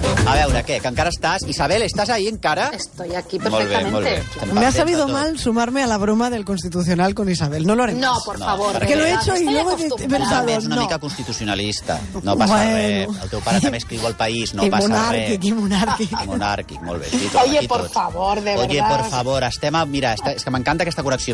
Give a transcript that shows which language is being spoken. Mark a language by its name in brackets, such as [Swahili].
[Catalan] A veure, què, que encara estàs? Isabel, estàs ahí encara? [Spanish] Estoy aquí perfectamente. [Catalan] Molt bé, molt bé. [Spanish] Me ha sabido mal sumarme a la broma del Constitucional con Isabel. No lo haré. No, por favor. Que lo he hecho y luego he pensado. [Catalan] Isabel és una mica constitucionalista. No passa res. El teu pare també escriu al País. No passa res. Monàrquic. Molt bé. [Spanish] Oye, por favor, de verdad. Oye, por favor, [Catalan] estem a... Mira, és que m'encanta aquesta connexió.